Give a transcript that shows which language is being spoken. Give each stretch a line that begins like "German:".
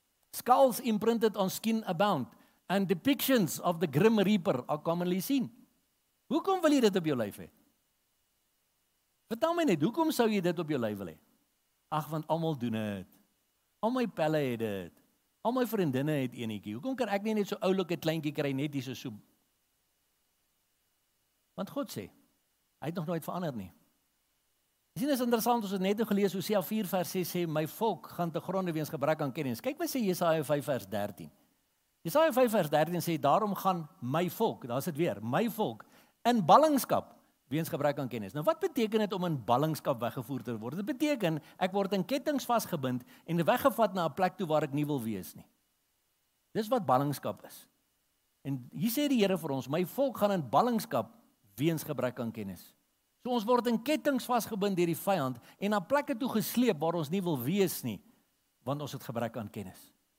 English: Skulls imprinted on skin abound, and depictions of the grim reaper are commonly seen.
Afrikaans: Hoekom wil jy dit op jou lyf hê? Vertel my net, hoekom sou jy dit op jou lyf wil hê? Ag, want almal doen dit. Al my pelle het dit. Al my vriendinne het enetjie. Hoekom kan ek nie net so oulike kleintjie kry net hierdie so? Want God sê, hy het nog nooit verander nie. Jy sien, is interessant, ons het net gelees, Hosea 4 vers 6 sê, my volk gaan te gronde weens gebrek aan kennis. Kyk wat sê Jesaja 5 vers 13. Jesaja 5 vers 13 sê, daarom gaan my volk, daar is het weer, my volk, in ballingskap, weens gebrek aan kennis. Nou wat beteken het om in ballingskap weggevoer te word? Dit beteken, ek word in kettings vastgebind en weggevat na 'n plek toe waar ek nie wil wees nie. Dis wat ballingskap is. En hier sê die Here vir ons, my volk gaan in ballingskap weens gebrek aan kennis. So ons word in kettings vastgebind deur die vyand en na plekke toe gesleep waar ons nie wil wees nie, want ons het gebrek aan kennis.